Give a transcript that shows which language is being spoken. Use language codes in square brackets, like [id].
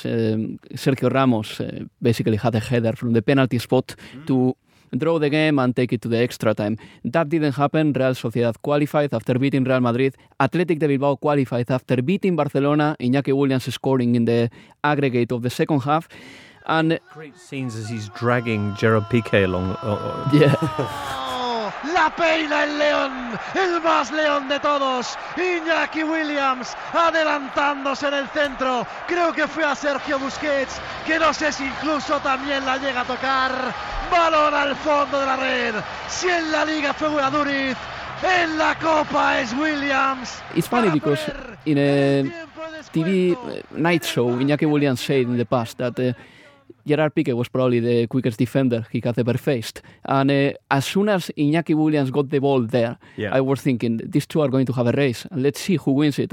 [en] Sergio Ramos basically had a header from the penalty spot to draw the game and take it to the extra time. That didn't happen. Real Sociedad qualified after beating Real Madrid. Athletic de Bilbao qualified after beating Barcelona. Iñaki Williams scoring in the aggregate of the second half. And great scenes as he's dragging Gerard Piqué along. Yeah. [es] La peina el León, el más León de todos, Iñaki Williams adelantándose en el centro, creo que fue a Sergio Busquets, que no sé si incluso también la llega a tocar, balón al fondo de la red, si en la Liga fue Guaduriz, en la Copa es Williams. [en] It's funny because in a TV night show, Iñaki Williams said in the past that Gerard Piqué was probably the quickest defender he had ever faced. And as soon as Iñaki Williams got the ball there, yeah, I was thinking, these two are going to have a race. Let's see who wins it.